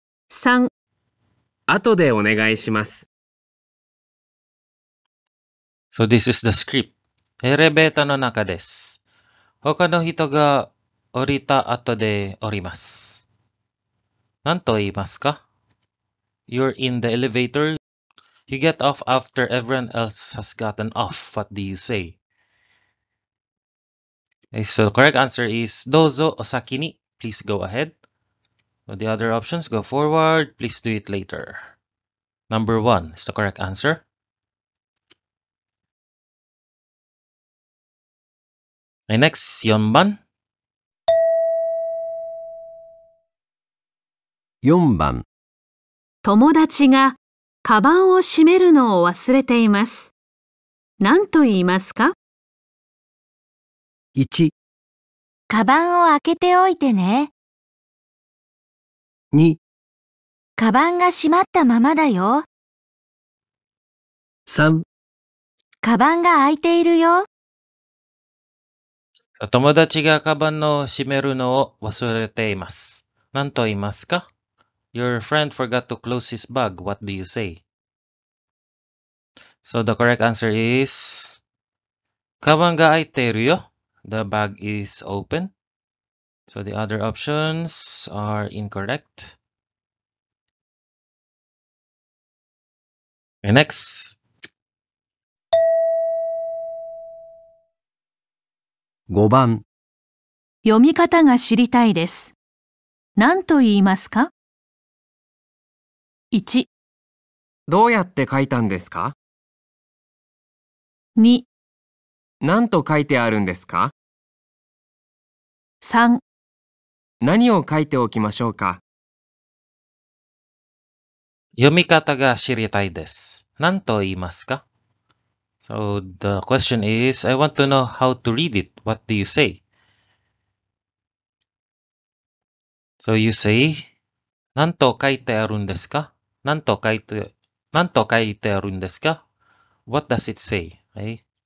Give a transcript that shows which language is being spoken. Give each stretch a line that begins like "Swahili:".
Japanese: 3. 後でお願いします。
English: So this is the script.
Japanese: エレベーターの中です。他の人が降りた後で降ります。何と言いますか？
English: You're in the elevator. You get off after everyone else has gotten off. What do you say? If so, the correct answer is,
Japanese: どうぞお先に。
English: Please go ahead. The other options, go forward. Please do it later. Number one is the correct answer. Next,
Japanese: 4番。 4番。友達がカバンを閉めるのを忘れています。何と言いますか？ 1. カバンを開けておいてね。 2. カバンが閉まったままだよ。 3. カバンが開いているよ。友達がカバンを閉めるのを忘れています。何と言いますか？
English: Your friend forgot to close his bag. What do you say? So the correct answer is,
Japanese: カバンが開いているよ。
English: The bag is open. So the other options are incorrect. And next.
Japanese: 5番。読み方が知りたいです。何と言いますか?1。どうやって書いたんですか ?2。何と書いてあるんですか ?3。何を書いておきましょうか読み方が知りたいです。何と言いますか ?
English: So the question is, I want to know how to read it. What do you say? So you say,
Japanese: 何と書いてあるんですか何と書いてあるんですか
English: What does it say?、Okay.